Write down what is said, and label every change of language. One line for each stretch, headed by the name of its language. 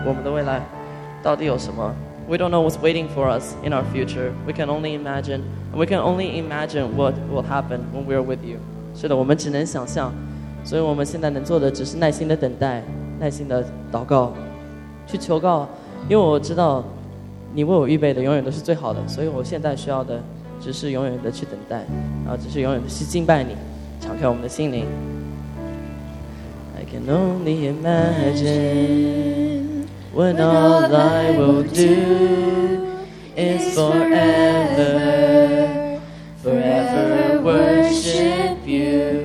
English: We don't know what's waiting for us in our future. We can only imagine. We can only imagine what will happen when we are with you.
Chinese: 是的，我们只能想象。所以我们现在能做的只是耐心的等待，耐心的祷告，去求告。因为我知道，你为我预备的永远都是最好的。所以我现在需要的。只是永远的去等待，然后只是永远的去敬拜你，敞开我们的心灵。
English: I can only imagine when all I will do is forever worship you.